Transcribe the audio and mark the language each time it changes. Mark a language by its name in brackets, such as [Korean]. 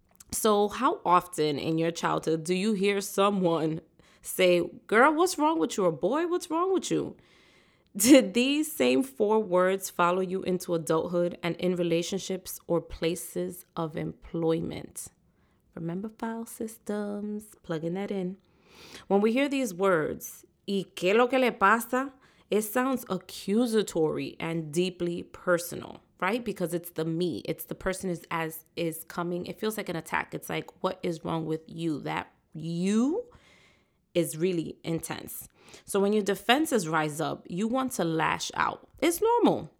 [English] So how often in your childhood do you hear someone say, girl, what's wrong with you? Or boy, what's wrong with you? Did these same four words follow you into adulthood and in relationships or places of employment? Remember file systems, plugging that in. When we hear these words, [Spanish] ¿y qué lo que le pasa? [English] It sounds accusatory and deeply personal, right? Because it's the me. It's the person is coming. It feels like an attack. It's like, what is wrong with you? That you is really intense. So when your defenses rise up, you want to lash out. It's normal.